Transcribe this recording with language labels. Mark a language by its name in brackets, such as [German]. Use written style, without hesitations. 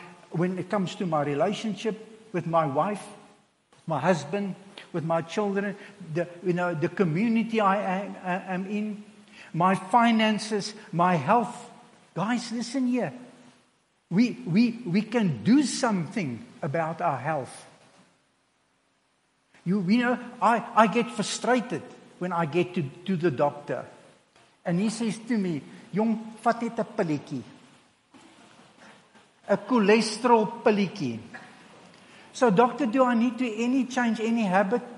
[English] When it comes to my relationship with my wife, my husband, with my children, the community I am in, my finances, my health. Guys, listen here. We can do something about our health. I get frustrated when I get to the doctor. And he says to me, [Afrikaans] Jong, vat het 'n pilletjie. 'N cholesterol pilletjie. [English] So doctor, do I need to any change any habit?